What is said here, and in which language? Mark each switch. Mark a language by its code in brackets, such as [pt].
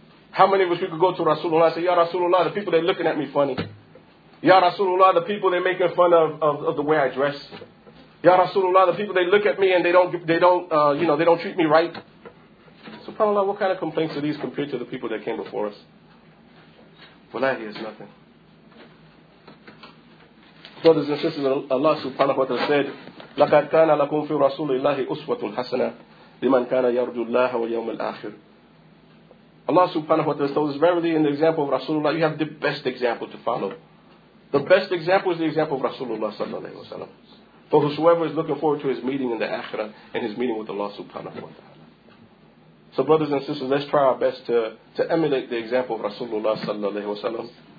[en] How many of us we could go to Rasulullah and say, Ya Rasulullah, the people, they're looking at me funny. Ya Rasulullah, the people, they're making fun of the way I dress. Ya Rasulullah, the people, they look at me and they don't treat me right. SubhanAllah, what kind of complaints are these compared to the people that came before us? Wallahi is nothing. Brothers and sisters, Allah subhanahu wa ta'ala said, [ar] لَقَدْ كَانَ لَكُمْ فِي رَسُولِ اللَّهِ أُسْوَةٌ حَسَنَةٌ لِمَنْ كَانَ يَرْجُ اللَّهَ وَيَوْمَ الْآخِرِ. [en] Allah subhanahu wa ta'ala told us, verily in the example of Rasulullah, you have the best example to follow. The best example is the example of Rasulullah sallallahu alayhi wa sallam. For whosoever is looking forward to his meeting in the Akhirah and his meeting with Allah subhanahu wa ta'ala. So brothers and sisters, let's try our best to emulate the example of Rasulullah sallallahu alayhi wa sallam.